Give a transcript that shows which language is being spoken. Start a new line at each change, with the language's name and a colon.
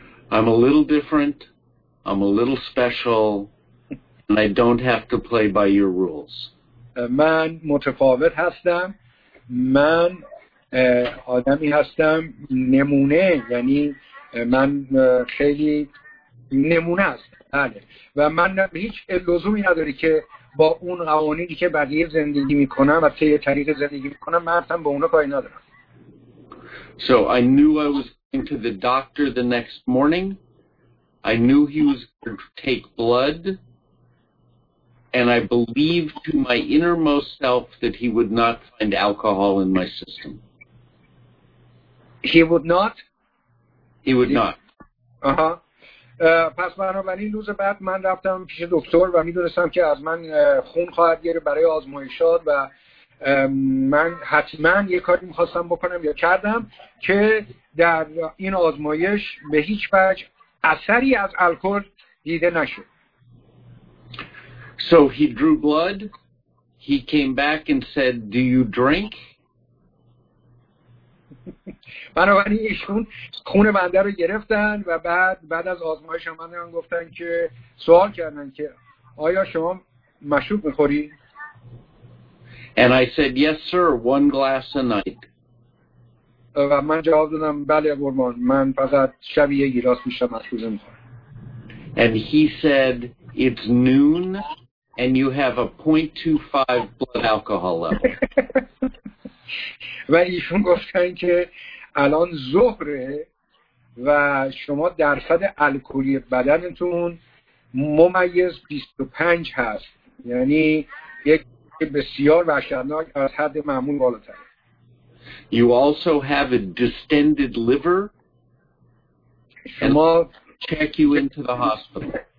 English: I'm a little different, I'm a little special, and I don't have to play by your rules.
Persian: من متفاوت هستم، من آدمی هستم نمونه، یعنی من خیلی نمونه است. بله. و من هیچ لزومی نداری که با اون قوانینی که بقیه زندگی میکنم و طی طریق زندگی میکنم من اصلا به اونا کاری ندارم.
English: So I knew I was going to the doctor the next morning. I knew he was going to take blood. And I believed to my innermost self that he would not find alcohol in my system. He would not? He would not. Uh-huh.
Persian: پس بنابراین روز بعد من رفتم پیش دکتر و میدونستم که از من خون خواهد گرفت برای آزمایشات و من حتما یک کاری میخواستم بکنم یا کردم که در این آزمایش به هیچ وجه اثری از الکل دیده نشد.
English: So he drew blood. He came back and said, "Do you drink?"
Persian: بنابراین ایشون خون بنده رو گرفتن و بعد از آزمایش هم بنده گفتن که سوال کردن که آیا شما مشروب میخوری؟
English: And I said yes sir, one glass a night.
Persian: و من جواب دادم بله قربان، من فقط شب یه گیلاس میشم مشروب میخورم.
English: And he said it's noon and you have a 0.25 blood alcohol level.
Persian: و ایشون گفتن که الان ظهره و شما درصد الکلی بدنتون ممیز 25 هست، یعنی یک بسیار وحشتناک از حد معمول بالاتر.
English: You also have a distended liver.
Persian: شما
English: check you into the hospital.